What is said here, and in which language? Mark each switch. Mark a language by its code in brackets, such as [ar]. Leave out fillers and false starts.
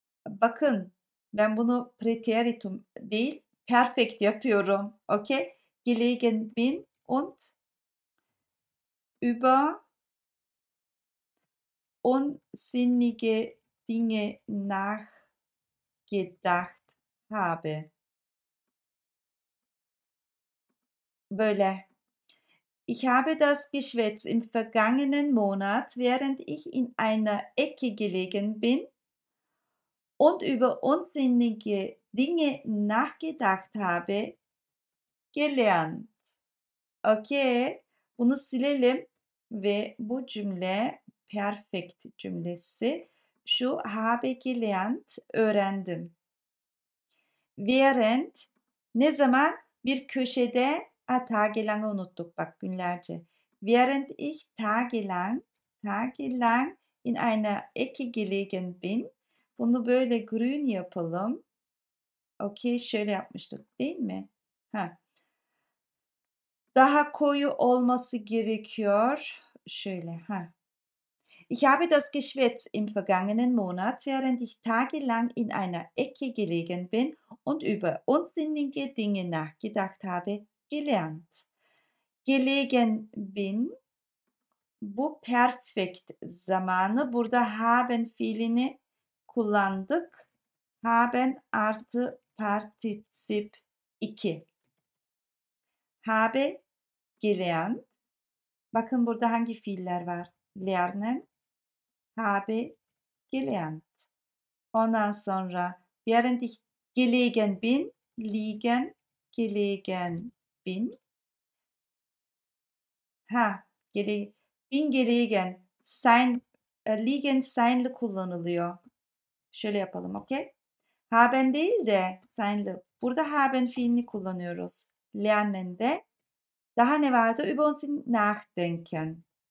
[tr] Bakın, ben bunu präteritum değil, perfekt yapıyorum. Okay? [de] Gelegen bin und über unsinnige Dinge nachgedacht habe. [tr] Böyle. [de] Ich habe das Geschwätz im vergangenen Monat, während ich in einer Ecke gelegen bin und über unsinnige Dinge nachgedacht habe, gelernt. Okay. [tr] Bunu silelim ve bu cümle perfect cümlesi. Şu [de] habe gelernt [tr] öğrendim. Während ne zaman bir köşede [de] tagelang [tr] unuttuk bak günlerce. [de] Während ich tagelang in einer Ecke gelegen bin. [tr] Bunu böyle grün yapalım. Okey, şöyle yapmıştık değil mi? Ha. Daha koyu olması gerekiyor. Şöyle ha. [de] Ich habe das geschwätzt im vergangenen Monat, während ich tagelang in einer Ecke gelegen bin und über unsinnige Dinge nachgedacht habe, gelernt. Gelegen bin, [tr] bu perfekt zamanı. Burada haben fiilini kullandık. [de] Haben artı partizip 2. Habe gelernt. [tr] Bakın burada hangi fiiller var? [de] Lernen, habe gelernt. [tr] Ondan sonra [de] während ich gelegen bin, liegen, gelegen bin. [tr] Ha, [de] bin gelegen, liegen [tr] seinle kullanılıyor. Şöyle yapalım, okey? Haben değil de seinle. Burada haben fiilini kullanıyoruz. Lernen de. Daha ne vardı? [de] Über uns nachdenken.